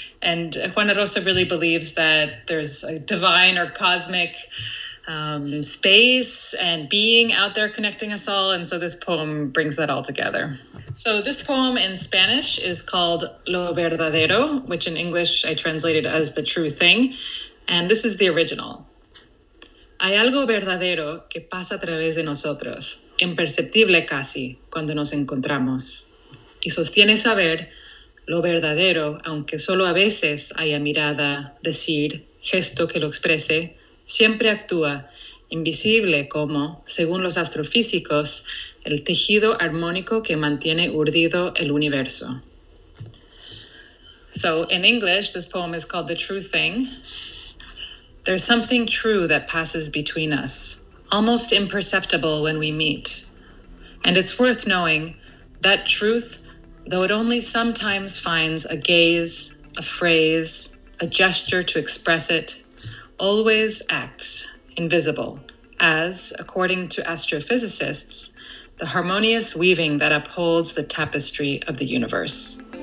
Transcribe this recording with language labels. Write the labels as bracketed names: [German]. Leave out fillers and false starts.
[English] And Juana Rosa really believes that there's a divine or cosmic space and being out there connecting us all. And so this poem brings that all together. So this poem in Spanish is called Lo Verdadero, which in English I translated as The True Thing. And this is the original. [Spanish] Hay algo verdadero que pasa a través de nosotros, imperceptible casi, cuando nos encontramos. Y sostiene saber lo verdadero, aunque solo a veces haya mirada, decir, gesto que lo exprese, siempre actúa, invisible como, según los astrofísicos, el tejido armónico que mantiene urdido el universo. [English] So, in English, this poem is called The True Thing. There's something true that passes between us, almost imperceptible when we meet. And it's worth knowing that truth, though it only sometimes finds a gaze, a phrase, a gesture to express it, always acts invisible, as, according to astrophysicists, the harmonious weaving that upholds the tapestry of the universe.